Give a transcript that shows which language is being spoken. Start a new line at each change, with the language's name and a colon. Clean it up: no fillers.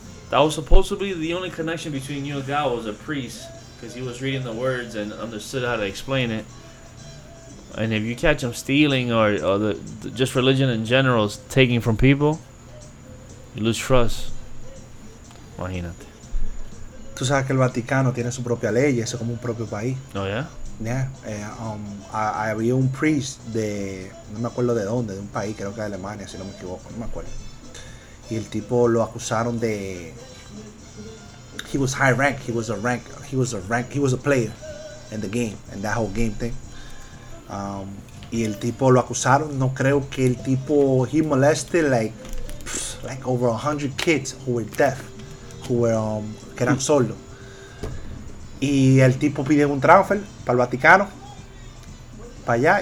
English: That was supposedly the only connection between you and God was a priest. Because he was reading the words and understood how to explain it. And if you catch him stealing or the just religion in general is taking from people, you lose trust.
Spanish: Imagínate. Tú sabes que el Vaticano tiene su propia ley, eso es como un propio país.
English: Oh, yeah? Yeah.
Spanish: Había un priest de, no me acuerdo de dónde, de un país, creo que de Alemania, si no me equivoco, no me acuerdo. Y el tipo lo acusaron de...
English: He was high rank. He was a player in the game, in that whole game thing.
Spanish: Y el tipo lo acusaron. No creo que el tipo,
English: he molested like over 100 kids who were deaf, who were
Spanish: que eran solo. Y el tipo pidió un transfer para el Vaticano, para allá.